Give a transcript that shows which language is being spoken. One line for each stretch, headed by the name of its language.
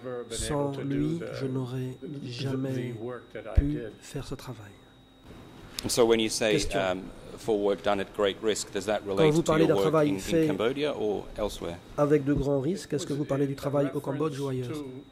French: Sans lui, je n'aurais jamais pu faire ce travail.
English: And so when you say for work done at great risk, does that relate to your work in Cambodia or elsewhere?
French: Avec de grands risques, est-ce que vous parlez du travail au Cambodge ou ailleurs?